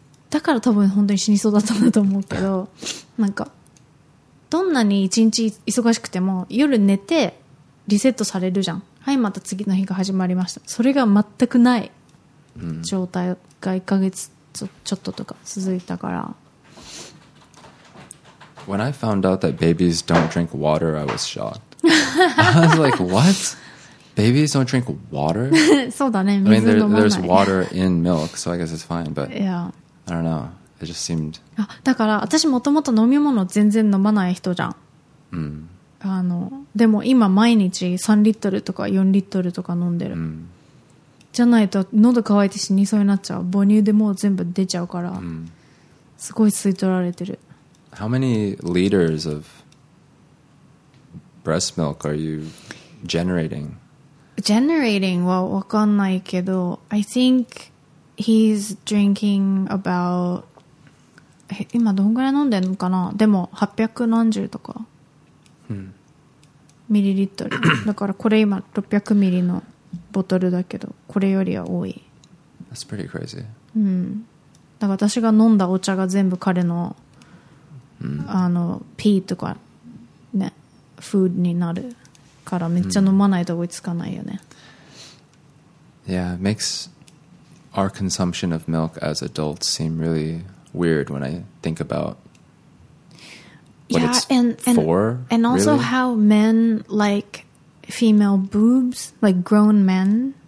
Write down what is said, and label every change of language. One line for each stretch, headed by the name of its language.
Japanese: だから多分本当に死にそうだったんだと思うけどなんかどんなに一日忙しくても夜寝てリセットされるじゃん。はい、また次の日が始まりました。それが全くない状態が1ヶ月ちょっととか続いたから。
English: When I found out that babies don't drink water, I was shocked. I was like, what? Babies don't drink water?
Japanese: そうだね。
English: I mean, there's water in milk, so I guess it's fine, but yeah. I don't know. It just seemed...
Japanese: あ、だから私もともと飲み物全然飲まない人じゃん。うん。あの、でも今毎日3リットルとか4リットルとか飲んでる。うん。じゃないと喉乾いて死にそうになっちゃう。母乳でもう全部出ちゃうから。うん。すごい吸い取られてる。
English: How many liters of breast milk are you generating?
Japanese: Generating は分かんないけど
English: I think he's drinking about
Japanese: 今どんぐらい飲んでんのかな。でも800何十とか、ミリリットルだからこれ今600ミリのボトルだけどこれよりは多い。
English: That's pretty crazy. うん。
Japanese: だから私が飲んだお茶が全部彼の、あのピーとかね、フードになるからめっちゃ飲まないと追いつかないよね。
English: Yeah, it makes our consumption of milk as adults seem really weird when I think about what it's for, and also really? How men like female boobs, like grown men.